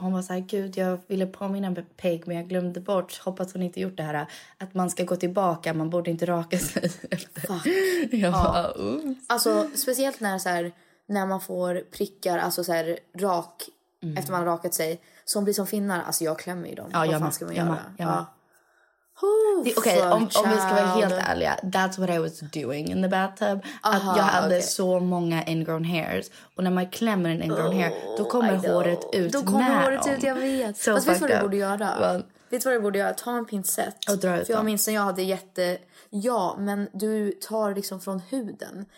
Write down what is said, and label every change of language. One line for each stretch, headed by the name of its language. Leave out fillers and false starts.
Swedish: Hon var så här, gud, jag ville påminna med Peg, men jag glömde bort. Hoppas hon inte gjort det här. Att man ska gå tillbaka, man borde inte raka sig.
English: Fuck.
Swedish: Jag bara, oops. Alltså, speciellt när, så här, när man får prickar, alltså så här, rak, mm. efter man har rakat sig. Så hon blir som finnar. Alltså, jag klämmer ju dem. Ja, vad jag fan ska man göra? Ja. Okej, okay, om vi ska vara helt ärliga,
English: that's what I was doing in the bathtub.
Swedish: Att jag hade okay. så många ingrown hairs. Och när man klämmer en ingrown hair, då kommer håret ut. Då kommer håret ut, jag vet. So alltså, vet du vad du borde göra? Vet du vad du borde göra? Ta en pincett. Och dra ut för jag minns när jag hade jätte... Ja, men du tar liksom från huden.